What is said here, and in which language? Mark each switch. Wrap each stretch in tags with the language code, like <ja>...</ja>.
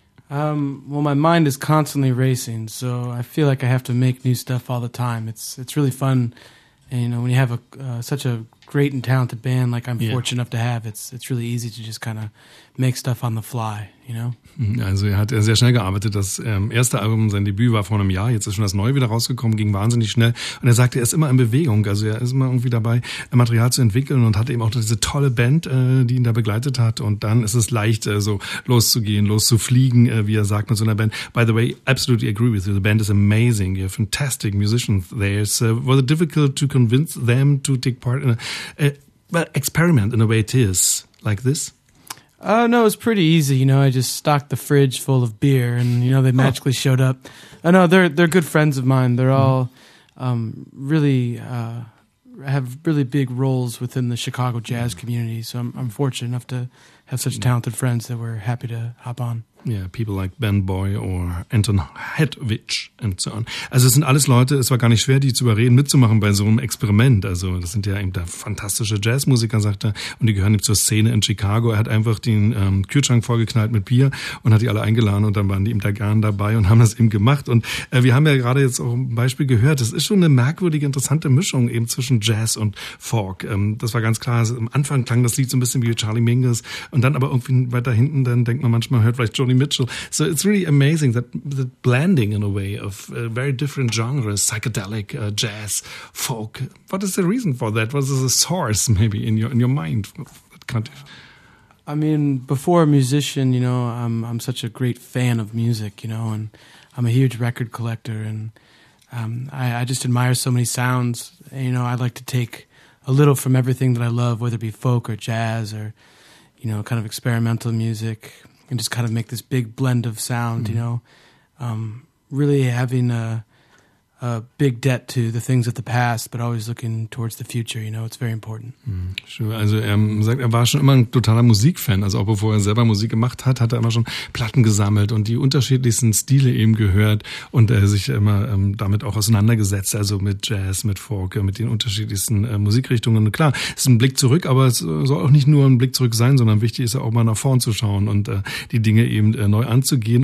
<en>Well, my mind is constantly racing, so I feel like I have to make new stuff all the time. It's really fun. And, you know, when you have such a great and talented band like I'm fortunate enough to have, it's really easy to just kind of make stuff on the fly, you know?</en> <de>Also er hat sehr schnell gearbeitet. Das erste Album, sein Debüt war vor einem Jahr. Jetzt ist schon das Neue wieder rausgekommen, ging wahnsinnig schnell. Und er sagte, er ist immer in Bewegung. Also er ist immer irgendwie dabei, Material zu entwickeln und hat eben auch diese tolle Band, die ihn da begleitet hat. Und dann ist es leicht, so loszugehen, loszufliegen, wie er sagt, mit so einer Band.</de> <en>By the way, absolutely agree with you. The band is amazing. You have fantastic musicians there. So was it difficult to convince them to take part in experiment in a way it is, like this? No, it was pretty easy. You know, I just stocked the fridge full of beer and, you know, they magically showed up. No, they're good friends of mine. They're all have really big roles within the Chicago jazz community. So I'm fortunate enough to have such talented friends that we're happy to hop on. Yeah, people like Ben Boy or Anton Hedwig and so on.</en> <de>Also es sind alles Leute, es war gar nicht schwer, die zu überreden, mitzumachen bei so einem Experiment. Also das sind ja eben da fantastische Jazzmusiker, sagt er, und die gehören eben zur Szene in Chicago. Er hat einfach den Kühlschrank vollgeknallt mit Bier und hat die alle eingeladen und dann waren die eben da gern dabei und haben das eben gemacht. Und wir haben ja gerade jetzt auch ein Beispiel gehört, das ist schon eine merkwürdige, interessante Mischung eben zwischen Jazz und Folk. Das war ganz klar, also, am Anfang klang das Lied so ein bisschen wie Charlie Mingus und dann aber irgendwie weiter hinten, dann denkt man manchmal, hört vielleicht Johnny Mitchell.</de> <en>So it's really amazing that blending in a way of very different genres, psychedelic, jazz, folk. What is the reason for that? What is the source maybe in your mind? I mean, before a musician, you know, I'm such a great fan of music, you know, and I'm a huge record collector and I just admire so many sounds. And, you know, I like to take a little from everything that I love, whether it be folk or jazz or, you know, kind of experimental music. And just kind of make this big blend of sound, you know, really having a big debt to the things of the past, but always looking towards the future, you know, it's very important.</en> <de>Sure, also er sagt, er war schon immer ein totaler Musikfan, also auch bevor er selber Musik gemacht hat, hat er immer schon Platten gesammelt und die unterschiedlichsten Stile eben gehört und er sich immer damit auch auseinandergesetzt, also mit Jazz, mit Folk, mit den unterschiedlichsten Musikrichtungen. Klar, es ist ein Blick zurück, aber es soll auch nicht nur ein Blick zurück sein, sondern wichtig ist ja auch mal nach vorn zu schauen und die Dinge eben neu anzugehen.</de>